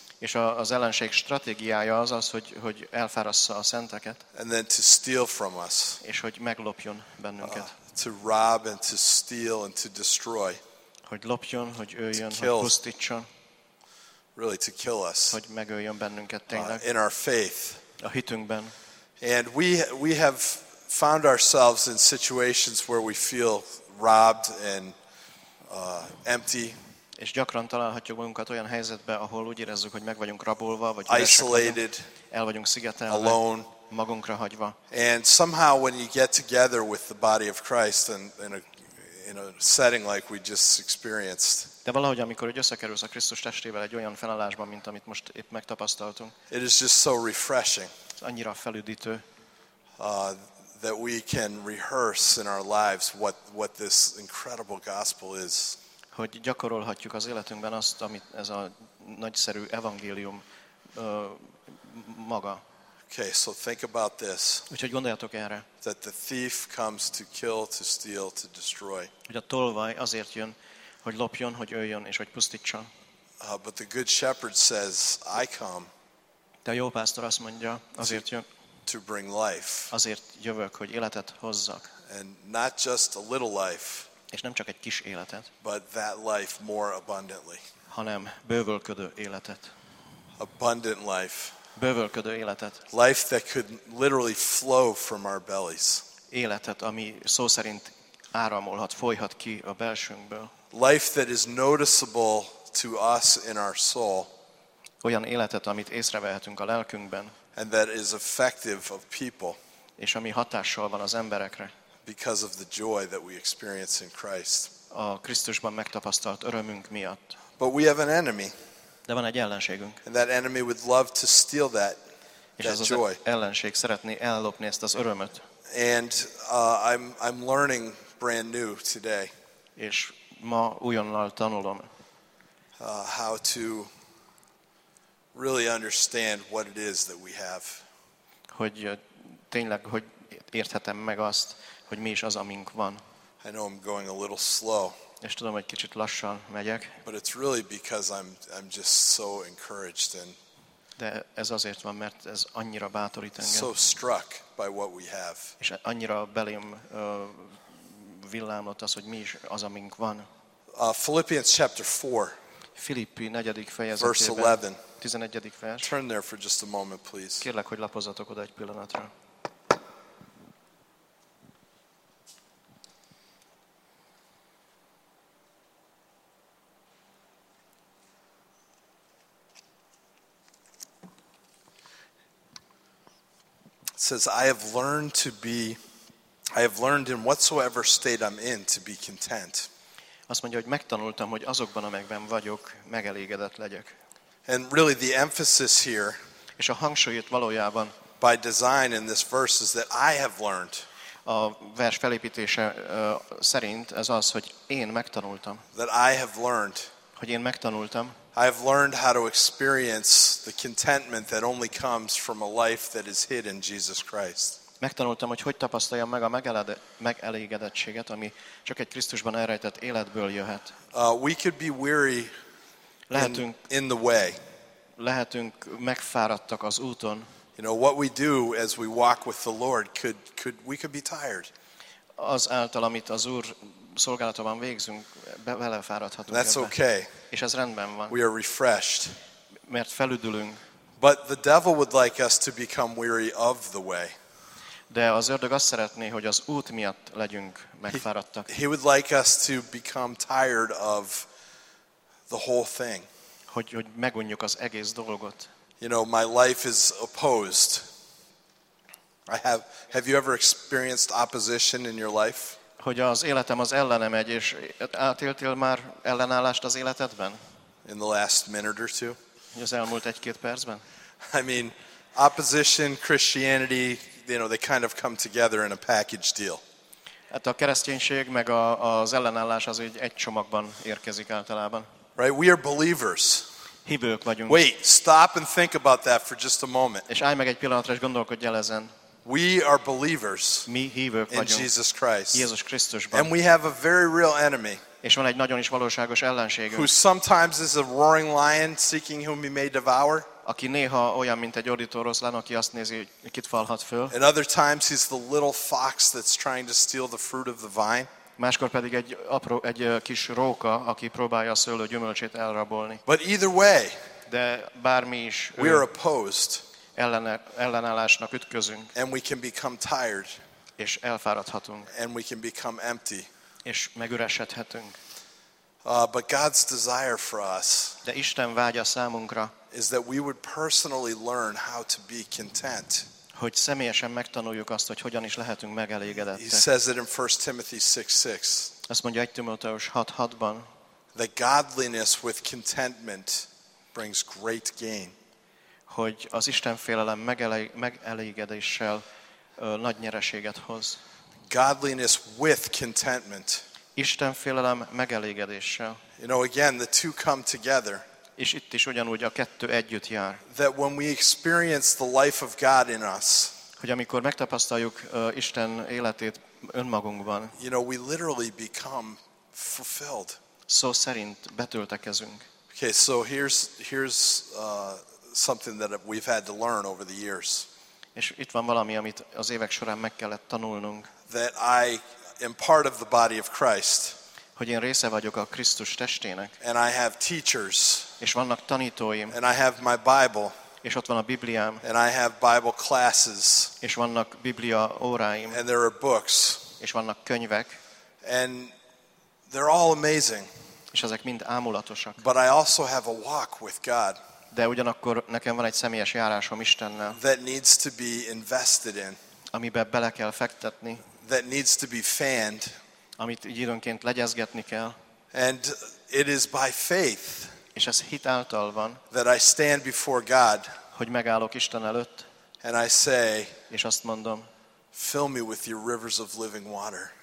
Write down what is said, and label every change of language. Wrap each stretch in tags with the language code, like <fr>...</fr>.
<hu>És az ellenség stratégiája az az, hogy elfárassza a szenteket.</hu> <en>And then to steal from us.</en> <hu>És hogy meglopjon bennünket.</hu> <en>To rob and to steal and to destroy.</en> <hu>Hogy lopjon, hogy öljön, hogy pusztítson.</hu> <en>Really to kill us.</en> <hu>Hogy megöljön bennünket tényleg.</hu> <en>In our faith.</en> <hu>A hitünkben.</hu> <en>And we have found ourselves in situations where we feel robbed and empty.</en> <hu>És gyakran találhatjuk magunkat olyan helyzetbe, ahol úgy érezzük, hogy meg vagyunk rabolva, vagy</hu> <en>isolated,</en> <hu>el vagyunk szigetelve,</hu> <en>alone,</en> <hu>magunkra hagyva.</hu> <en>And somehow when you get together with the body of Christ in a setting like we just experienced.</en> <hu>De valahogy amikor összekerülsz a Krisztus testével egy olyan felállásban, mint amit most épp megtapasztaltunk.</hu> <en>It is just so refreshing.</en> <hu>Annyira felüdítő.</hu> <en>That we can rehearse in our lives what this incredible gospel is.</en> <hu>Hogy gyakorolhatjuk az életünkben azt, amit ez a nagyszerű evangélium maga.</hu> <en>Okay, so think about this.</en> <hu>Úgyhogy gondoljatok erre.</hu> <en>That the thief comes to kill, to steal, to destroy.</en> <hu>Hogy a tolvaj azért jön, hogy lopjon, hogy öljön és hogy pusztítson.</hu> <en>But the good shepherd says, I come.</en> <hu>De a jó pásztor azt mondja, azért jön.</hu> <en>To bring life.</en> <hu>Azért jövök, hogy életet hozzak.</hu> <en>And not just a little life.</en> <hu>És nem csak egy kis életet,</hu> <en>but that life more abundantly.</en> <hu>Hanem bővölködő életet.</hu> <en>Abundant life.</en> <hu>Bővölködő életet.</hu> <en>Life that could literally flow from our bellies.</en> <hu>Életet, ami szó szerint áramolhat, folyhat ki a belsőnkből.</hu> <en>Life that is noticeable to us in our soul.</en> <hu>Olyan életet, amit észrevehetünk a lelkünkben.</hu> <en>And that is effective of people.</en> <hu>És ami hatással van az emberekre.</hu> <en>Because of the joy that we experience in Christ.</en> <hu>A Krisztusban megtapasztalt örömünk miatt.</hu> <en>But we have an enemy.</en> <hu>De van egy ellenségünk.</hu> <en>And that enemy would love to steal that joy.</en> <hu>Ellenség szeretné ellopni ezt az örömöt.</hu> <en>And I'm learning brand new today.</en> <hu>És ma újonnan tanulom.</hu> <en>How to really understand what it is that we have.</en> <hu>Hogy tényleg hogy érthetem meg azt, hogy mi is az, amink van.</hu> <en>I know I'm going a little slow.</en> <hu>És tudom, hogy kicsit lassan megyek.</hu> <en>But it's really because I'm just so encouraged and.</en> <hu>De ez azért van, mert ez annyira bátorít engem.</hu> <en>So struck by what we have.</en> <hu>És annyira belém villámlott az, hogy mi is az, amink van.</hu> <en>Philippians chapter 4.</en> <hu>Filippi 4. fejezetében.</hu> <en>Verse 11.</en> <hu>11. vers.</hu> <en>Turn there for just a moment, please.</en> <hu>Kérlek, hogy lapozzatok oda egy pillanatra.</hu> <en>Says I have learned in whatsoever state I'm in to be content.</en> <hu>Azt mondja, hogy megtanultam, hogy azokban, amelyekben vagyok, megelégedett legyek.</hu> <en>And really the emphasis here,</en> <hu>és a hangsúly itt valójában,</hu> <en>by design in this verse is that I have learned.</en> <hu>A vers felépítése szerint ez az, hogy én megtanultam.</hu> <en>That I have learned.</en> <hu>Hogy én megtanultam.</hu> <en>I have learned how to experience the contentment that only comes from a life that is hid in Jesus Christ.</en> <hu>Megtanultam, hogy hogyan tapasztaljam meg a megelégedettséget, ami csak egy Krisztusban elrejtett életből jöhet.</hu> <en>We could be weary</en> <hu>lehetünk</hu> <en>in the way.</en> <hu>Lehetünk megfáradtak az úton.</hu> <en>You know what we do as we walk with the Lord could we could be tired.</en> <hu>Az által, amit az Úr szolgálatában végzünk, belefáradhatunk.</hu> <en>That's okay.</en> <hu>És ez rendben van.</hu> <en>We are refreshed.</en> <hu>Mert felüdülünk.</hu> <en>But the devil would like us to become weary of the way.</en> <hu>De az ördög azt szeretné, hogy az út miatt legyünk megfáradtak.</hu> <en>He would like us to become tired of the whole thing.</en> <hu>Hogy megunjuk az egész dolgot.</hu> <en>You know, my life is opposed. Have you ever experienced opposition in your life?</en> <hu>Hogy az életem az ellene megy, és átéltél már ellenállást az életedben?</hu> <en>In the last minute or two?</en> <hu>Az elmúlt egy-két percben?</hu> <en>I mean, opposition, Christianity, you know, they kind of come together in a package deal.</en> <hu>Hát a kereszténység meg az ellenállás az egy csomagban érkezik általában.</hu> <en>Right, we are believers.</en> <hu>Hívők vagyunk.</hu> <en>Wait, stop and think about that for just a moment.</en> <hu>És állj meg egy pillanatra, és gondolkodj el ezen.</hu> <en>We are believers</en> <hu>Mi hívők</hu> <en>in Jesus Christ.</en> <hu>Jézus Krisztusban.</hu> <en>And we have a very real enemy.</en> <hu>És van egy nagyon is valóságos ellenségünk.</hu> <en>Who sometimes is a roaring lion seeking whom he may devour.</en> <hu>Aki néha olyan, mint egy ordító oroszlán, aki azt nézi, hogy kit falhat föl.</hu> <en>And other times he's the little fox that's trying to steal the fruit of the vine.</en> <hu>Máskor pedig egy kis róka, aki próbálja a szőlő gyümölcsét elrabolni.</hu> <en>But either way,</en> <hu>de bármi is,</hu> <en>we are opposed.</en> <hu>Ellenállásnak ütközünk.</hu> <en>And we can become tired.</en> <hu>És elfáradhatunk.</hu> <en>And we can become empty.</en> <hu>És megüresedhetünk.</hu> <en>But God's desire for us,</en> <hu>de Isten vágya számunkra,</hu> <en>is that we would personally learn how to be content.</en> <hu>Hogy személyesen megtanuljuk azt, hogy hogyan is lehetünk megelégedettek.</hu> <en>He says it in 1 Timothy 6:6.</en> <hu>Azt mondja 1 Timóteus 6:6-ban.</hu> <en>That godliness with contentment brings great gain.</en> <hu>Hogy az Istenfélelem megelégedéssel nagy nyereséget hoz.</hu> <en>Godliness with contentment.</en> <hu>Istenfélelem megelégedéssel.</hu> <en>You know, again, the two come together.</en> <hu>És itt is ugyanúgy a kettő együtt jár.</hu> <en>That when we experience the life of God in us,</en> <hu>hogy amikor megtapasztaljuk Isten életét önmagunkban,</hu> <en>you know, we literally become fulfilled.</en> <hu>Szó szerint betöltekezünk.</hu> <en>Okay, so here's something that we've had to learn over the years.</en> <hu>És itt van valami, amit az évek során meg kellett tanulnunk.</hu> <en>That I am part of the body of Christ.</en> <hu>Hogy én része vagyok a Krisztus testének.</hu> <en>And I have teachers.</en> <hu>És vannak tanítóim.</hu> <en>And I have my Bible.</en> <hu>És ott van a Bibliám.</hu> <en>And I have Bible classes.</en> <hu>És vannak Biblia óráim.</hu> <en>And there are books.</en> <hu>És vannak könyvek.</hu> <en>And they're all amazing.</en> <hu>És ezek mind ámulatosak.</hu> <en>But I also have a walk with God.</en> <hu>De ugyanakkor nekem van egy személyes járásom Istennel.</hu> <en>That needs to be invested in.</en> <hu>Amiben bele kell fektetni.</hu> <en>That needs to be fanned.</en> <hu>Amit így időnként legyezgetni kell.</hu> <en>And it is by faith.</en> <hu>És ez hit által van.</hu> <en>That I stand before God.</en> <hu>Hogy megállok Isten előtt.</hu> <en>And I say.</en> <hu>És azt mondom.</hu> <en>Fill me with your rivers of living water.</en>